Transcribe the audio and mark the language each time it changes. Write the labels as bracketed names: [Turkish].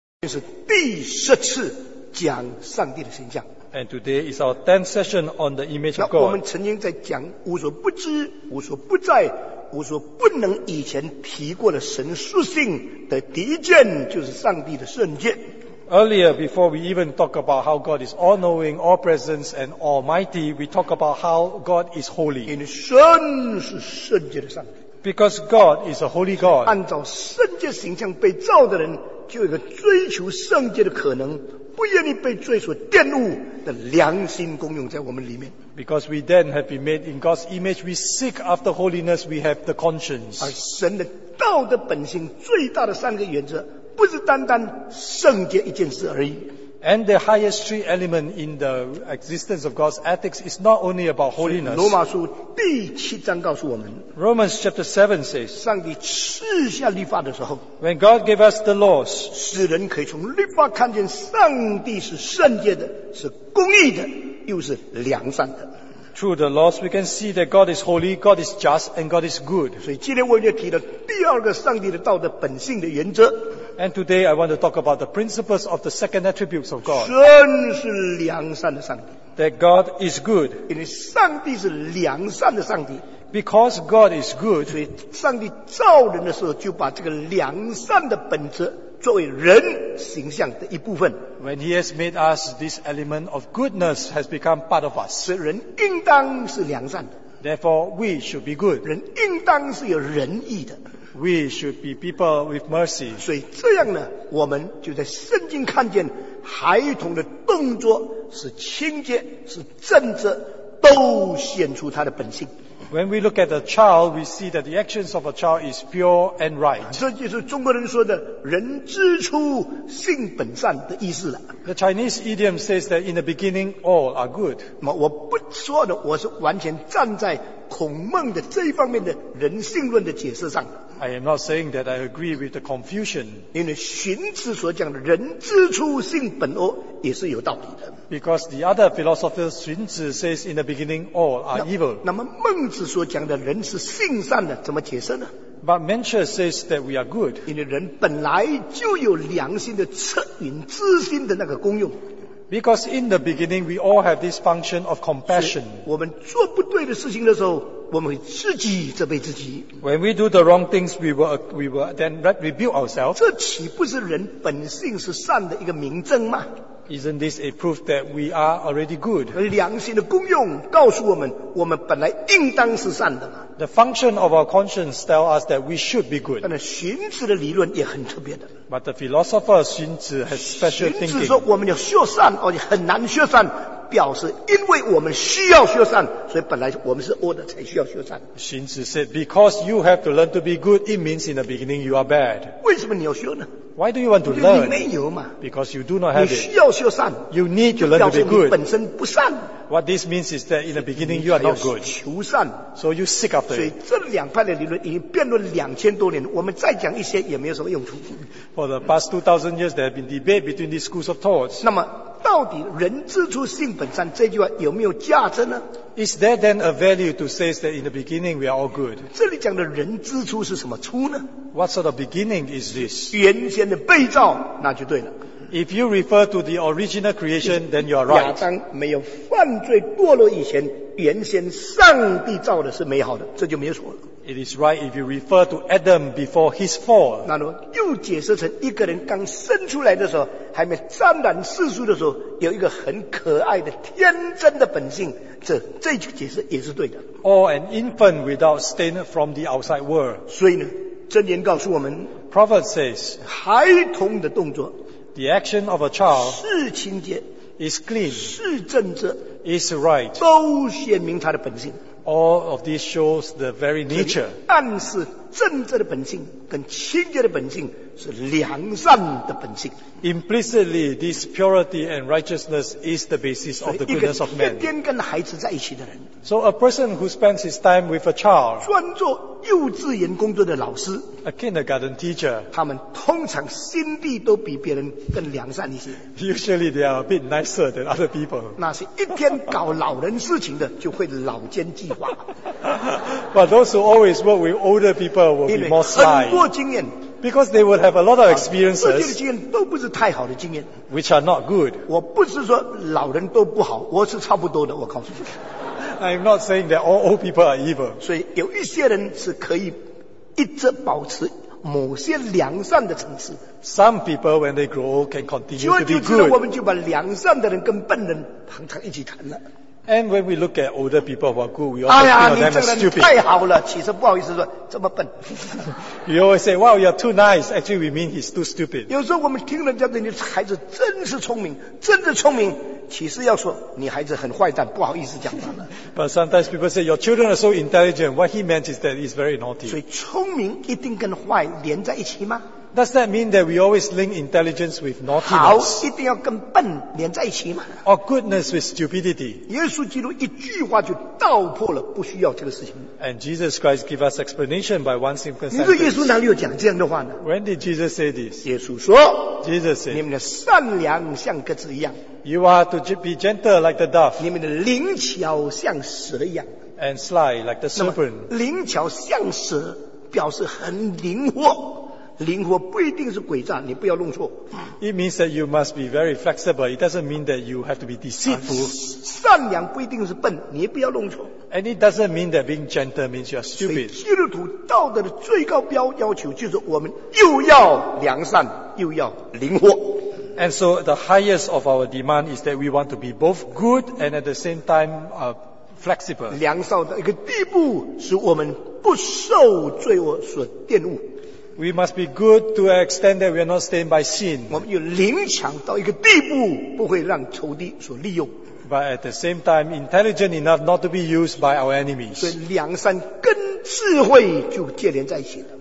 [Chinese] 这是第十次讲上帝的形象。 [English] And today is our 10th session on the image of God. [Chinese] 那我们曾经在讲无所不知、无所不在、无所不能以前提过的神属性的第一件，就是上帝的圣洁。 [English] Earlier, before we even talk about how God is all-knowing, all-present, and almighty, we talk about how God is holy. [Chinese] 因为神是圣洁的上帝。 [English] Because God is a holy God. [Chinese] 按照圣洁形象被造的人就有一个追求圣洁的可能，不愿意被罪所玷污的良心功用在我们里面。 [English] Because we then have been made in God's image, we seek after holiness, we have the conscience. [Chinese] 而神的道德本性最大的三个原则，不是单单圣洁一件事而已。 [English] And the highest three element in the existence of God's ethics is not only about holiness. [Chinese] 罗马书第七章告诉我们， [English] Romans chapter 7 says, [Chinese] 上帝赐下律法的时候， [English] When God gave us the laws, [Chinese] 使人可以从律法看见上帝是圣洁的，是公义的，又是良善的。 [English] Through the laws, we can see that God is holy, God is just, and God is good. [Chinese] 所以今天我要提的第二个上帝的道德本性的原则。 [English] And today I want to talk about the principles of the second attributes of God. [Chinese] 神是良善的上帝。 [English] That God is good. [Chinese] 因为上帝是良善的上帝。 [English] Because God is good. [Chinese] 所以上帝造人的时候就把这个良善的本质作为人形象的一部分。 [English] When he has made us, this element of goodness has become part of us. [Chinese] 所以人应当是良善的。 [English] Therefore, we should be good. [Chinese] 人应当是有仁义的。 [English] We should be people with mercy. [Chinese] 所以这样呢，我们就在圣经看见孩童的动作是清洁，是正直，都显出他的本性。 [English] When we look at the child, we see that the actions of a child is pure and right. [Chinese] 这就是中国人说的人之初性本善的意思了。 [English] The Chinese idiom says that in the beginning, all are good. [Chinese] 我不说的，我是完全站在孔孟的这一方面的人性论的解释上。 [English] I am not saying that I agree with the confusion. [Chinese] 因为荀子所讲的人之初性本恶也是有道理的。 [English] Because the other philosopher 荀子 says in the beginning all are evil. [Chinese] 那么孟子所讲的人是性善的怎么解释呢？ [English] But Mencius says that we are good. [Chinese] 因为人本来就有良心的恻隐之心的那个功用。 [English] Because in the beginning we all have this function of compassion. [Chinese] 我们做不对的事情的时候，我们会自己责备自己。 [English] When we do the wrong things, we will then rebuild ourselves. [Chinese] 这岂不是人本性是善的一个明证吗？ [English] Isn't this a proof that we are already good? [Chinese] 良心的功用告诉我们，我们本来应当是善的嘛。 [English] The function of our conscience tell us that we should be good. [Chinese] 但是荀子的理论也很特别的。 [English] But the philosopher 荀子 has special thinking. [Chinese] 荀子说我们要学善，而且很难学善。表示因为我们需要修善，所以本来我们是恶的才需要修善。 [English] 荀子 said, because you have to learn to be good, it means in the beginning you are bad. [Chinese] 为什么你要修呢？ [English] Why do you want to learn? [Chinese] 你没有嘛。 [English] Because you do not have it. [Chinese] 你需要修善。 [English] You need to learn to be good. [Chinese] 你本身不善。 [English] What this means is that in the beginning you are not good. [Chinese] 你求善。 [English] So you seek after it. [Chinese] 所以这两派的理论已经辩论两千多年，我们再讲一些也没有什么用处。 [English] For the past 2000 years, there have been debate between these schools of thoughts. [Chinese] 那么到底人之初性本善这句话有没有价值呢？ [English] Is there then a value to say that in the beginning we are all good? [Chinese] 这里讲的人之初是什么初呢？ [English] What sort of beginning is this? [Chinese] 原先的被造，那就对了。 [English] If you refer to the original creation, then you are right. [Chinese] 亚当没有犯罪堕落以前，原先上帝造的是美好的，这就没有错了。 [English] It is right if you refer to Adam before his fall. [Chinese] 那么又解释成一个人刚生出来的时候，还没沾染世俗的时候，有一个很可爱的天真的本性，这句解释也是对的。 [English] Or an infant without stain from the outside world. [Chinese] 所以呢，箴言告诉我们 [English] ，Prophet says， [Chinese] 孩童的动作 [English] ，the action of a child， [Chinese] 是清洁 [English] ，is clean， [Chinese] 是正直 [English] ，is right， [Chinese] 都显明他的本性。 [English] All of this shows the very nature. [Chinese] 暗示正直的本性跟清洁的本性是良善的本性。 [English] Implicitly, this purity and righteousness is the basis of the goodness of man. [Chinese] 一个天天跟孩子在一起的人。 [English] So a person who spends his time with a child. [Chinese] 专做幼稚园工作的老师。 [English] A kindergarten teacher. [Chinese] 他们通常心地都比别人更良善一些。 [English] Usually they are a bit nicer than other people. [Chinese] 那是一天搞老人事情的就会老奸计划。 [English] But those who always work with older people will be more sly. [Chinese] 因为很多经验。 [English] Because they would have a lot of experiences. [Chinese] 这些经验都不是太好的经验。 [English] Which are not good. [Chinese] 我不是说老人都不好，我是差不多的，我告诉你。 [English] I'm not saying that all old people are evil. [Chinese] 所以有一些人是可以一直保持某些良善的层次。 [English] Some people when they grow old can continue to be good. [Chinese] 就知道我们就把良善的人跟笨人常常一起谈了。 [English] And when we look at older people who are good, we always think of them as stupid. [Chinese] 太好了，其实不好意思说这么笨。 [English] You always say, "Wow, you're too nice." Actually, we mean he's too stupid. [Chinese] 有时候我们听人家的你孩子真是聪明，真的聪明，其实要说你孩子很坏蛋，不好意思讲了。 [English] But sometimes people say your children are so intelligent. What he meant is that he's very naughty. [Chinese] 所以聪明一定跟坏连在一起吗？ [English] Does that mean that we always link intelligence with naughtiness? [Chinese] 好，一定要跟笨连在一起吗？ [English] Or goodness with stupidity? [Chinese] 耶稣基督一句话就道破了，不需要这个事情。 [English] And Jesus Christ gave us explanation by one simple sentence. [Chinese] 你说耶稣哪里有讲这样的话呢？ [English] When did Jesus say this? [Chinese] 耶稣说， [English] Jesus said, [Chinese] 你们的善良像鸽子一样。 [English] You are to be gentle like the dove. [Chinese] 你们的灵巧像蛇一样。 [English] And sly like the serpent. [Chinese] 灵巧像蛇表示很灵活。灵活不一定是诡诈，你不要弄错。 [English] It means that you must be very flexible. It doesn't mean that you have to be deceitful. [Chinese] 善良不一定是笨，你不要弄错。 [English] And it doesn't mean that being gentle means you are stupid. [Chinese] 基督徒道德的最高标要求就是我们又要良善，又要灵活。 [English] And so the highest of our demand is that we want to be both good and at the same time flexible. [Chinese] 良善的一个地步是我们不受罪恶所玷污。 [English] We must be good to an extent that we are not stained by sin. [Chinese] 我们有灵强到一个地步，不会让仇敌所利用。 [English] But at the same time, intelligent enough not to be used by our enemies. [Chinese] 所以良善跟智慧就接连在一起了。